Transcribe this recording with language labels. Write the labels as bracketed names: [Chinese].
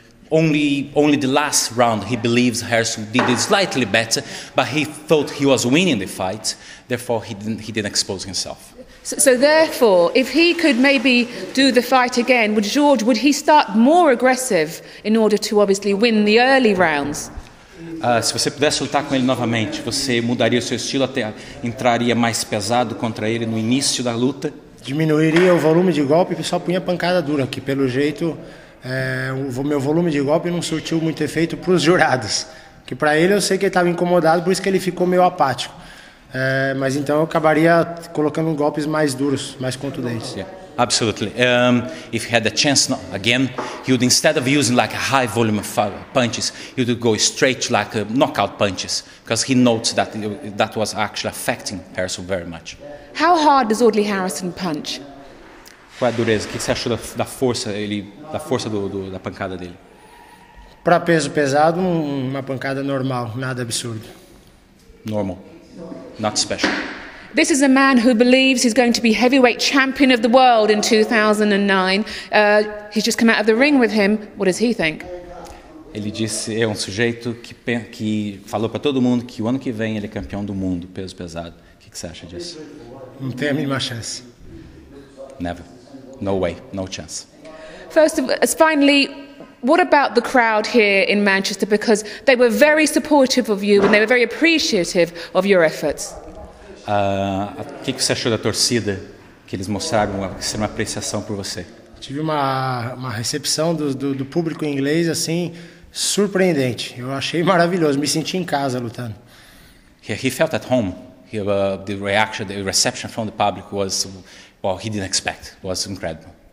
[English] Only the last round he believes Harrison did it slightly better, but he thought he was winning the fight. Therefore, he didn't expose himself. So therefore, if he could maybe do the fight again, would he start more aggressive in order to obviously win the early rounds? [Portuguese] Se você pudesse lutar com ele novamente, você mudaria o seu estilo até entraria mais pesado contra ele no início da luta? Diminuiria o volume de golpe e só punha pancada dura, que pelo jeito o meu volume de golpe não surtiu muito efeito para os jurados. Que para ele eu sei que ele estava incomodado, por isso que ele ficou meio apático. Mas então eu acabaria colocando golpes mais duros, mais contundentes. [English] Yeah, absolutely. If he had a chance again, he would, instead of using like a high volume of punches, he would go straight to like knockout punches, because he notes that that was actually affecting Harrison very much. How hard does Audley Harrison punch? [Portuguese] Qual a dureza? O que você achou da força da pancada dele? Para peso pesado, uma pancada normal, nada absurdo. [English] Normal. Not special. This is a man who believes he's going to be heavyweight champion of the world in 2009. He's just come out of the ring with him. What does he think? [Portuguese] Ele disse é sujeito que falou para todo mundo que o ano que vem ele é campeão do mundo peso pesado. Que você acha disso? Não tem a mínima chance. [English] Never. No way. No chance. Finally, what about the crowd here in Manchester? Because they were very supportive of you and they were very appreciative of your efforts. [Portuguese] O que você achou da torcida que eles mostraram uma apreciação por você? Tive uma recepção do público inglês assim surpreendente. Eu achei maravilhoso. Me senti em casa lutando. [English] He felt at home. The reception from the public was, well, he didn't expect. It was incredible.